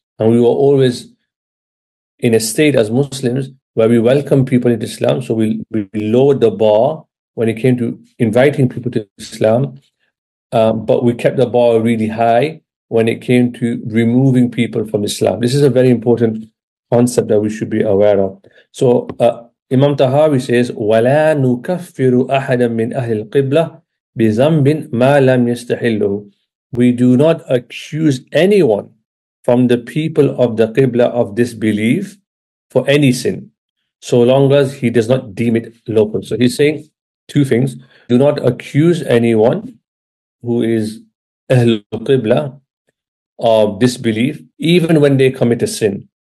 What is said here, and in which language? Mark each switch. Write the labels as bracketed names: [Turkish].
[English] And we were always in a state as Muslims where we welcome people into Islam. So we lowered the bar when it came to inviting people to Islam, but we kept the bar really high when it came to removing people from Islam. This is a very important concept that we should be aware of. So Imam Tahawi says, [Arabic] وَلَا نُكَفِّرُ أَحَدًا مِّنْ أَهْلِ الْقِبْلَةِ بِزَنْبٍ مَا لَمْ يَسْتَحِلُّهُ. [English] We do not accuse anyone from the people of the Qibla of disbelief for any sin, so long as he does not deem it lawful. So he's saying two things. Do not accuse anyone who is Ahl Qibla of disbelief, even when they commit a sin.